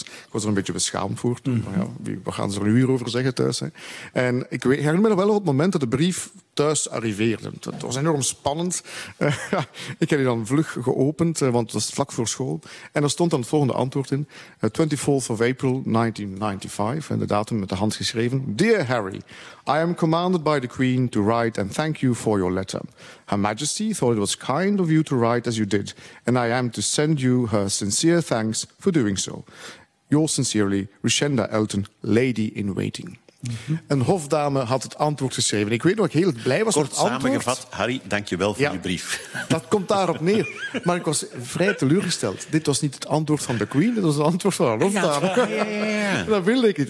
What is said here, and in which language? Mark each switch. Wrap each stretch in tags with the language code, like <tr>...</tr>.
<nl>Ik was er een beetje beschaamd voor. Mm-hmm. Ja, we gaan ze er nu hierover zeggen thuis. Hè. En ik herinner me wel op het moment dat de brief thuis arriveerden. Het was enorm spannend. Ik heb die dan vlug geopend, want het was vlak voor school. En daar stond dan het volgende antwoord in.</nl> <en>24th of April</en> <nl>1995, en de datum met de hand geschreven.</nl> <en>Dear Harry, I am commanded by the Queen to write and thank you for your letter. Her Majesty thought it was kind of you to write as you did. And I am to send you her sincere thanks for doing so. Yours sincerely, Richenda Elton, Lady in Waiting. Mm-hmm.</en> <nl>Een hofdame had het antwoord geschreven. Ik weet nog, ik heel blij was kort met het antwoord. Kort samengevat, Harry, dank je wel voor je brief. Dat komt daarop neer. Maar ik was vrij teleurgesteld. Dit was niet het antwoord van de Queen, dit was het antwoord van een hofdame. Ja. Dat wilde ik niet.</nl>